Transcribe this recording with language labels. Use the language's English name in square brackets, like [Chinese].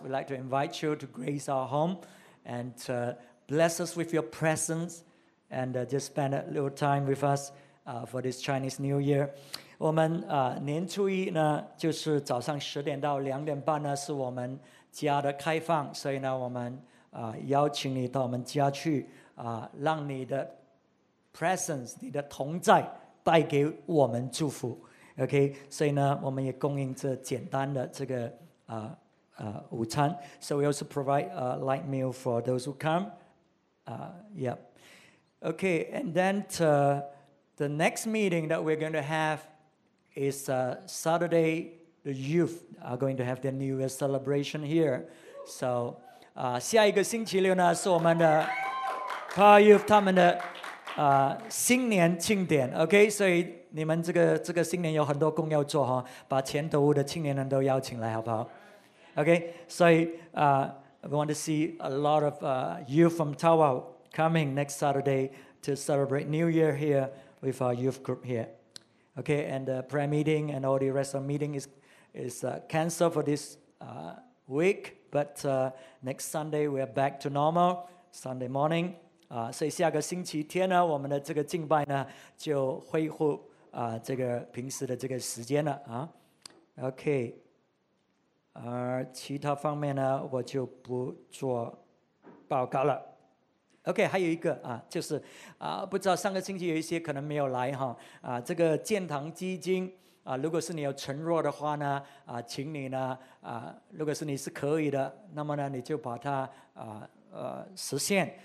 [English] We'd like to invite you to grace our home and to bless us with your presence. And just spend a little time with us for this Chinese New Year. [Chinese] 我们年初一呢，就是早上十点到两点半呢，是我们家的开放，所以呢，我们邀请你到我们家去让你的 presence, 你的同在带给我们祝福。 OK, 所以呢，我们也供应这简单的这个午餐。 [English] So we also provide a light meal for those who come. Yep. Okay, and then the next meeting that we're going to have is Saturday. The youth are going to have their New Year celebration here. [Chinese] So, 下一个星期六呢是我们的 Car Youth 他们的新年庆典。 Okay, 所以你们这个新年有很多工要做哈，把前头的青年人都邀请来好不好 ？Okay, 所以 [English] we want to see a lot of youth from Tawau. Coming next Saturday to celebrate New Year here with our youth group here. Okay, and the prayer meeting and all the rest of the meeting is canceled for this week. But next Sunday, we are back to normal, Sunday morning. [Chinese] So 下个星期天呢，我们的这个敬拜呢，就恢复这个平时的这个时间了啊。 Okay, 而其他方面呢，我就不做报告了。 OK, 还有一个就是不知道上个星期有一些可能没有来哈这个建堂基金如果是你有承诺的话呢请你呢如果是你是可以的那么呢你就把它实现。